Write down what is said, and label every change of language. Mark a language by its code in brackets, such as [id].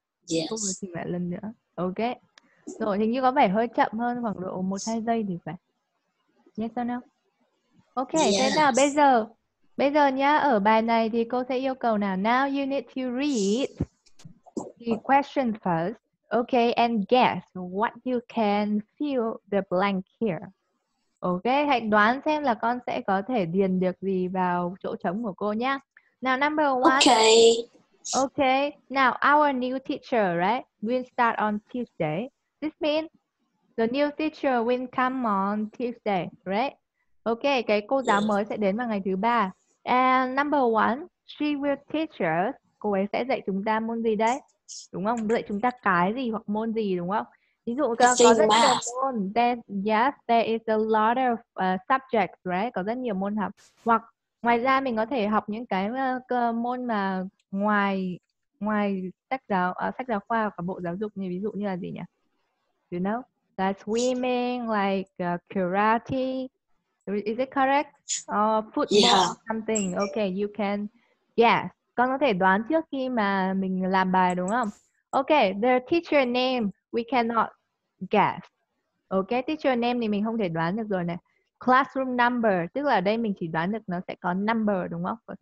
[en] Yes. [vi] Không có chỉnh lại lần nữa. Ok. Rồi, hình như có vẻ hơi chậm hơn khoảng độ 1-2 giây thì phải. [en] Yes or no? Ok, thế Yes. [vi] nào bây giờ nhá, ở bài này thì cô sẽ yêu cầu nào. [en] Now you need to read the question first, okay, and guess what you can fill the blank here. [vi] Ok, hãy đoán xem là con sẽ có thể điền được gì vào chỗ trống của cô nhá. [en] Now number one. Okay. Okay, now our new teacher, right, will start on Tuesday. This means the new teacher will come on Tuesday, right? [vi] Okay, cái cô giáo mới sẽ đến vào ngày thứ ba. [en] And number one, she will teach us. [vi] Cô ấy sẽ dạy chúng ta môn gì đấy? Đúng không? Dạy chúng ta cái gì hoặc môn gì, đúng không? Ví dụ có rất nhiều môn. [en] Then, yes, there is a lot of subjects, right? [vi] Có rất nhiều môn học. Hoặc ngoài ra mình có thể học những cái môn mà ngoài sách giáo khoa và bộ giáo dục, như ví dụ như là gì nhỉ? [en] You know, like swimming, like karate, is it correct? Or football, yeah. Something. Okay, you can, yeah. [vi] Con có thể đoán trước khi mà mình làm bài đúng không? [en] Okay, the teacher name we cannot guess. [vi] Okay, teacher name thì mình không thể đoán được rồi này. Classroom number, tức là đây mình chỉ đoán được nó sẽ có number đúng không?